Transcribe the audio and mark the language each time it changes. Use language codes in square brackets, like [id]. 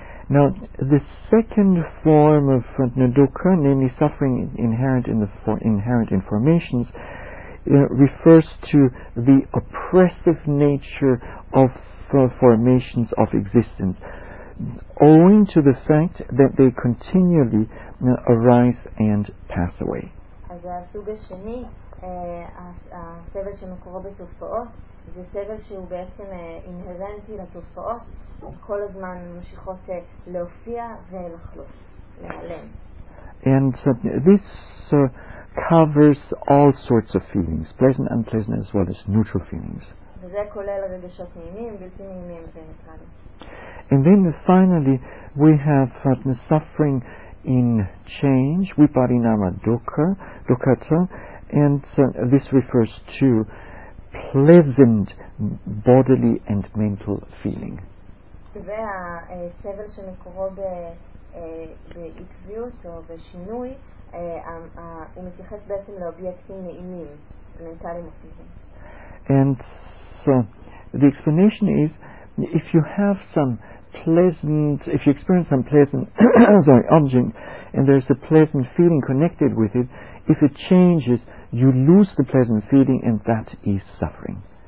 [en] Now, the second form of dukkha, namely suffering inherent in formations, refers to the oppressive nature of formations of existence, owing to the fact that they continually arise and pass away. [he] אז הסוג השני, הסבל שמקורו בתופעות, זה סבל שהוא בעצם אינהרנטי לתופעות, כל הזמן ממשיכות להופיע ולחלוף, להיעלם. [en] And this covers all sorts of feelings, pleasant, unpleasant, as well as neutral feelings. [he] וזה כולל רגשות נעימים, בלתי נעימים וניטרליים. [en] And then finally, we have the suffering in change, viparinama dukkata, and this refers to pleasant bodily and mental feeling. [he] והסבל שמקורו בעקביות או בשינוי, הוא מתייחס בעצם לאובייקטים נעימים, מנטליים ופיזיים. [en] And so the explanation is, if you have some pleasant, if you experience some pleasant object, and there's a pleasant feeling connected with it, if it changes, you lose the pleasant feeling, and that is suffering.